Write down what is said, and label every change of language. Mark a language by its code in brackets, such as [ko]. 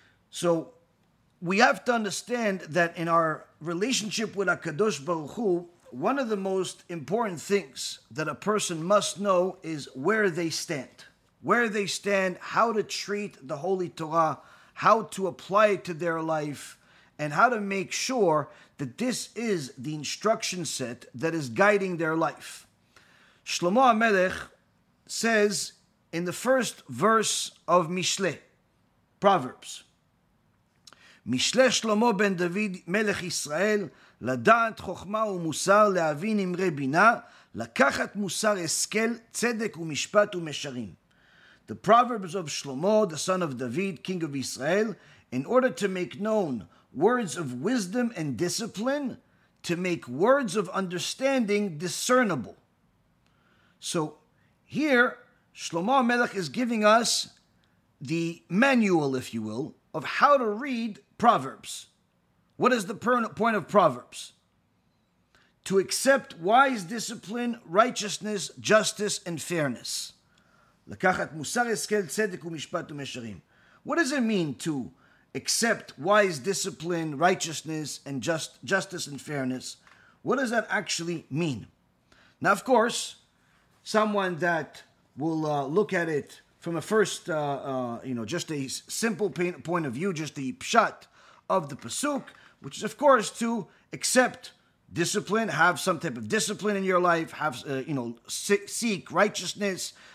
[en] So we have to understand that in our relationship with HaKadosh Baruch Hu, one of the most important things that a person must know is where they stand. Where they stand, how to treat the Holy Torah, how to apply it to their life, and how to make sure that this is the instruction set that is guiding their life. Shlomo HaMelech says in the first verse of Mishle, Proverbs, [he] Mishle Shlomo ben David Melech Yisrael, לדעת חוכמה ומוסר, להבין אמרי בינה, לקחת מוסר השכל, צדק ומשפט ומשרים. [en] The Proverbs of Shlomo, the son of David, king of Israel, in order to make known words of wisdom and discipline, to make words of understanding discernible. So here, Shlomo HaMelech is giving us the manual, if you will, of how to read Proverbs. What is the point of Proverbs? To accept wise discipline, righteousness, justice, and fairness. [he] לקחת מוסר השכל צדק ומשפט ומשרים. [en] What does it mean to accept wise discipline, righteousness, and justice and fairness? What does that actually mean? Now, of course, someone that will look at it from a first, just a simple point of view, just the pshat of the pasuk, which is, of course, to accept discipline, have some type of discipline in your life, seek righteousness.